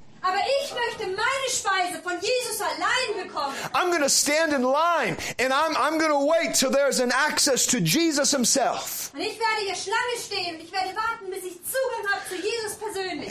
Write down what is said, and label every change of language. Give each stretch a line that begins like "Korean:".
German: Aber ich möchte meine Speise von Jesus allein bekommen.
English: I'm going to stand in line and I'm going to wait till there's an access to Jesus himself.
German: Und ich werde hier Schlange stehen und ich werde warten, bis ich Zugang habe zu Jesus persönlich.